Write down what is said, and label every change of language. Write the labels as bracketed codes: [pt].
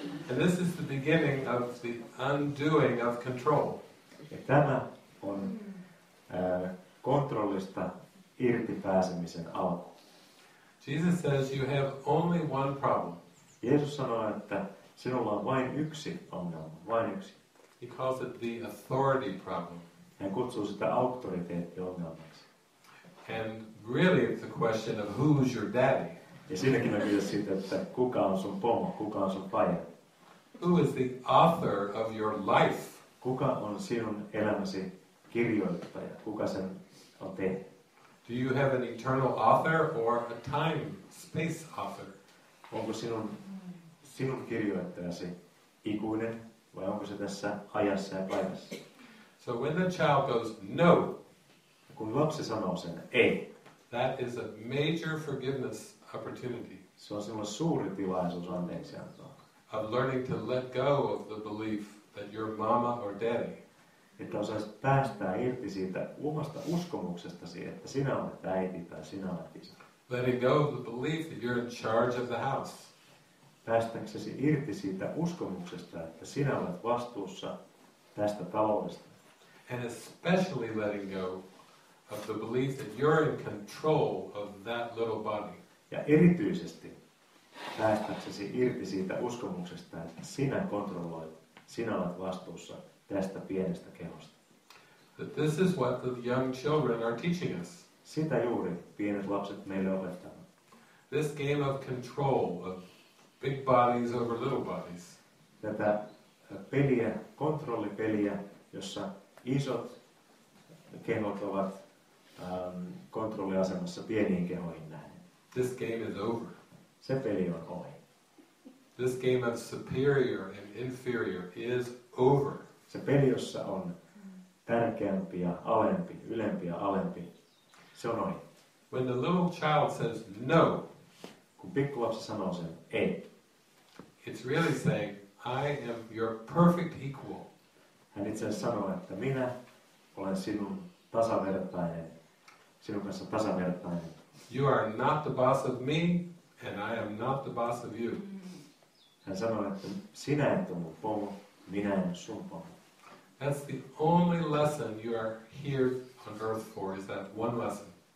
[en] And this is the beginning of the undoing of control. [fi] Ja tämä on kontrollista irti pääsemisen alku. [en] Jesus says you have only one problem. [fi] Jeesus sanoo, että sinulla on vain yksi ongelma, vain yksi. [en] He calls it the authority problem. [fi] Hän kutsuu sitä auktoriteettiongelmaksi. [en] And really it's a question of who's your daddy. [fi] Ja siinäkin on kyse siitä, että kuka on sun pomo, kuka on sun paja. [en] Who is the author of your life? [fi] Kuka on sinun elämäsi kirjoittaja? Kuka sen on tehnyt? [en] Do you have an eternal author or a time space author? [fi] Onko sinun kirjoittajasi ikuinen vai onko se tässä ajassa ja paikassa? [en] So when the child goes no, [fi] kun lapsi sanoo sen ei, [en] That is a major forgiveness opportunity. [fi] Se on semmoinen suuri tilaisuus anteeksiantoa. [en] Of learning to let go of the belief that you're mama or daddy. [fi] Että osaisi päästää irti siitä omasta uskomuksestasi, että sinä olet äiti tai sinä olet isä. [en] Letting go of the belief that you're in charge of the house. [fi] Päästäksesi irti siitä uskomuksesta, että sinä olet vastuussa tästä taloudesta. [en] And especially letting go of the belief that you're in control of that little body. [fi] Ja erityisesti päästäksesi irti siitä uskomuksesta, että sinä kontrolloit, sinä olet vastuussa tästä pienestä kehosta. [en] But this is what the young children are teaching us. [fi] Sitä juuri pienet lapset meille opettavat. [en] This game of control of big bodies over little bodies. [fi] Tätä peliä, kontrollipeliä, jossa isot kehot ovat kontrolliasemassa pieniin kehoihin nähden. [en] This game is over. [fi] Se peli on ohi. [en] This game of superior and inferior is over. [fi] Se peli, jossa on tärkeämpi ja alempi, ylempi ja alempi, se on ohi. [en] When the little child says no, [fi] kun pikkulapsi sanoo sen ei, [en] it's really saying, I am your perfect equal. [fi] Hän itse asiassa sanoo, että minä olen sinun tasavertainen, sinun kanssa tasavertainen. [en] You are not the boss of me, and I am not the boss of you. [fi] Hän sanoo, että sinä et ole mun pomo, minä en ole sun pomo. [en] That's the only lesson you are here on earth for, is that one lesson.